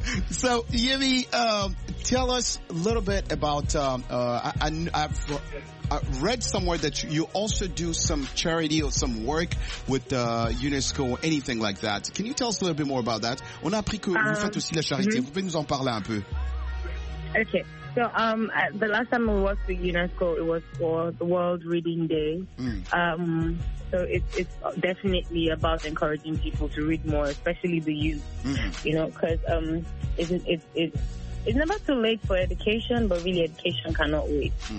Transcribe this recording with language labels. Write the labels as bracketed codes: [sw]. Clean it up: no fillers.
[en] So, Yemi, tell us a little bit about, I read somewhere that you also do some charity or some work with UNESCO or anything like that. Can you tell us a little bit more about that? [fr] On a appris que vous faites aussi la charité. Mm-hmm. Vous pouvez nous en parler un peu? [en] Okay, so the last time we worked with UNESCO, it was for the World Reading Day. Mm. So it's definitely about encouraging people to read more, especially the youth. Mm. You know, because it's never too late for education, but really education cannot wait. Mm.